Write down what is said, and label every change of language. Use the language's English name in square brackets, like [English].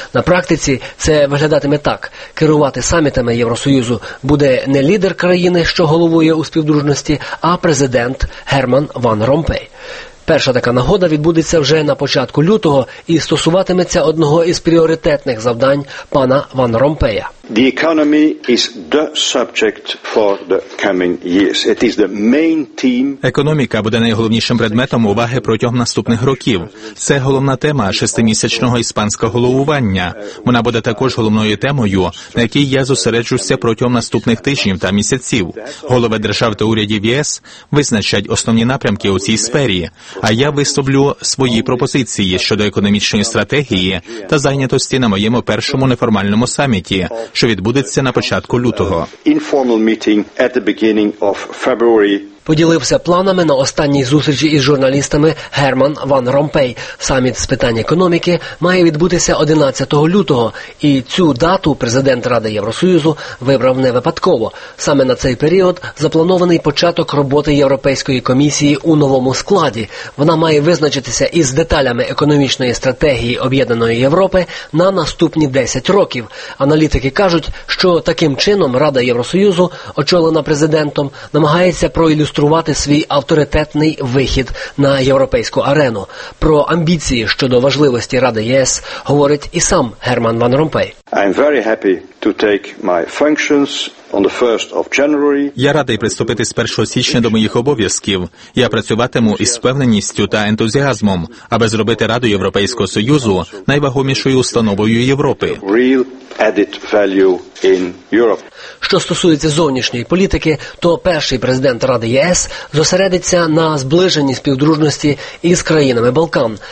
[Ukrainian] На практиці це виглядатиме так. Керувати самітами Євросоюзу буде не лідер країни, що головує у співдружності, а президент Герман Ван Ромпей. Перша така нагода відбудеться вже на початку лютого і стосуватиметься одного із пріоритетних завдань пана Ван Ромпея. [English] The economy is the subject for the coming years. It is the main theme. [Ukrainian] Економіка буде найголовнішим предметом уваги протягом наступних років. Це головна тема шестимісячного іспанського головування. Вона буде також головною темою, на якій я зосереджуся протягом наступних тижнів та місяців. Голови держав та урядів ЄС визначать основні напрямки у цій сфері, а я висловлю свої пропозиції щодо економічної стратегії та зайнятості на моєму першому неформальному саміті, що відбудеться на початку лютого. [English] Informal meeting at the beginning of February. [Ukrainian] Поділився планами на останній зустрічі із журналістами Герман Ван Ромпей. Саміт з питань економіки має відбутися 11 лютого. І цю дату президент Ради Євросоюзу вибрав не випадково. Саме на цей період запланований початок роботи Європейської комісії у новому складі. Вона має визначитися із деталями економічної стратегії Об'єднаної Європи на наступні 10 років. Аналітики кажуть, що таким чином Рада Євросоюзу, очолена президентом, намагається проілюструвати свій авторитетний вихід на європейську арену. Про амбіції щодо важливості Ради ЄС говорить і сам Герман Ван Ромпей. [English] I'm very happy to take my functions on the 1st of January. [Ukrainian] Я радий приступити з 1 січня до моїх обов'язків. Я працюватиму із впевненістю та ентузіазмом, аби зробити Раду Європейського Союзу найвагомішою установою Європи. [English] added value in Europe. [Ukrainian] Що стосується зовнішньої політики, то перший президент Ради ЄС зосередиться на зближенні співдружності із країнами Балкан.